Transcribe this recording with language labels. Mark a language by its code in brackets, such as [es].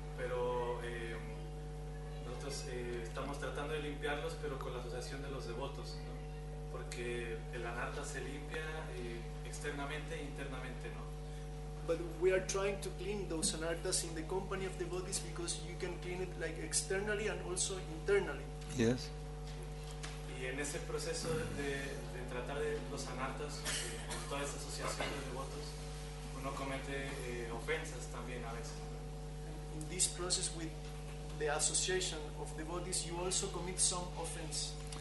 [es] Pero nosotros estamos tratando de limpiarlos, pero con la asociación de los devotos, ¿no? Porque el anartha se limpia externamente e internamente, ¿no? [en] But we are trying to clean those anarthas in the company of devotees because you can clean it like externally and also internally. Yes. [es] Y en ese proceso de tratar de los anarthas con toda esa asociación de devotos, uno comete ofensas también a veces. [en] In this process with the association of devotees, you also commit some offense.